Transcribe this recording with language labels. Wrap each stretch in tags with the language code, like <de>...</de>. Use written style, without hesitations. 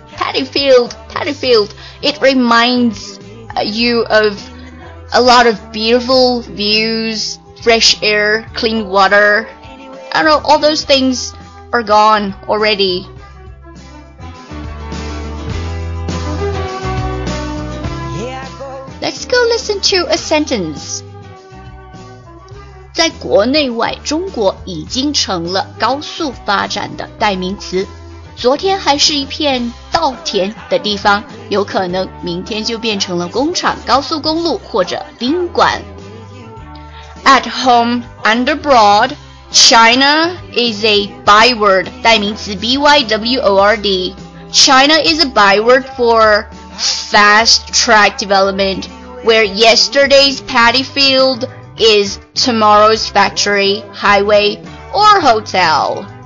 <en>Paddy field, it reminds you of a lot of beautiful views, fresh air, clean water. I don't know, all those things are gone already. Let's go listen to a sentence.</en> <zh>在国内外，中国已经成了高速发展的代名词。昨天还是一片稻田的地方，有可能明天就变成了工厂、高速公路或者宾馆。</zh> <en>At home and abroad, China is a byword,</en> <zh>代名词 byword.</zh> <en>China is a byword for fast track development, where yesterday's paddy field is tomorrow's factory, highway or hotel.</en>